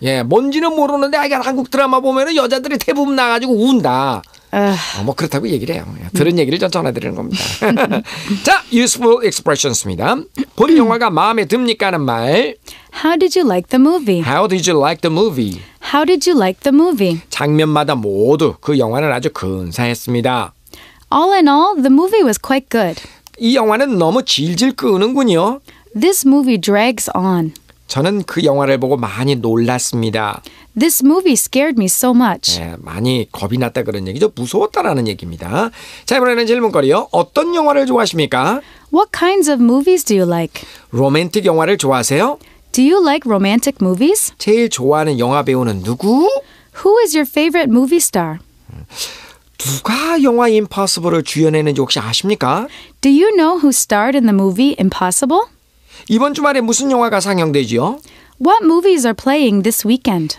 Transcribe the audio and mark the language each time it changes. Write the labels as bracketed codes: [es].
[ko] 예, 뭔지는 모르는데 아, 한국 드라마 보면은 여자들이 대부분 나가지고 운다. 뭐 그렇다고 얘기를 해요. 들은 얘기를 전 전해드리는 겁니다. 자, useful expressions입니다. 본 영화가 마음에 듭니까? 하는 말. [en] How did you like the movie? How did you like the movie? How did you like the movie? [ko] 장면마다 모두 그 영화는 아주 근사했습니다. [en] All in all, the movie was quite good. [ko] 이 영화는 너무 질질 끄는군요. [en] This movie drags on. [ko] 저는 그 영화를 보고 많이 놀랐습니다. [en] This movie scared me so much. [ko] 네, 많이 겁이 났다 그런 얘기죠. 무서웠다라는 얘기입니다. 자, 이번에는 질문거리요. 어떤 영화를 좋아하십니까? [en] What kinds of movies do you like? [ko] 로맨틱 영화를 좋아하세요? [en] Do you like romantic movies? [ko] 제일 좋아하는 영화 배우는 누구? [en] Who is your favorite movie star? [ko] 누가 영화 임파서블을 주연했는지 혹시 아십니까? [en] Do you know who starred in the movie Impossible? [ko] 이번 주말에 무슨 영화가 상영되지요? [en] What movies are playing this weekend?